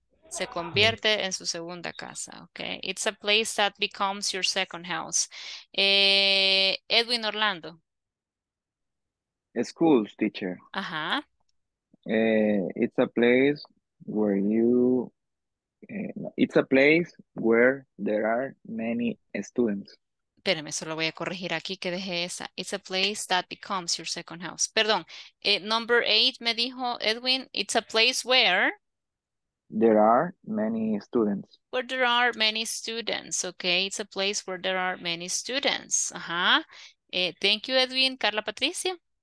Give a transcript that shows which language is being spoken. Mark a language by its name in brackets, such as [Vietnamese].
[Spanish] Se convierte en su segunda casa. [English] Okay. It's a place that becomes your second house. Edwin Orlando. School, teacher. Uh-huh. It's a place where there are many students. [Spanish] Espérame, solo voy a corregir aquí que dejé esa. [English] It's a place that becomes your second house. Perdón. Number 8 [Spanish] me dijo [English] Edwin, it's a place where there are many students. Where there are many students, okay? It's a place where there are many students. Ajá. Thank you, Edwin. Carla Patricia.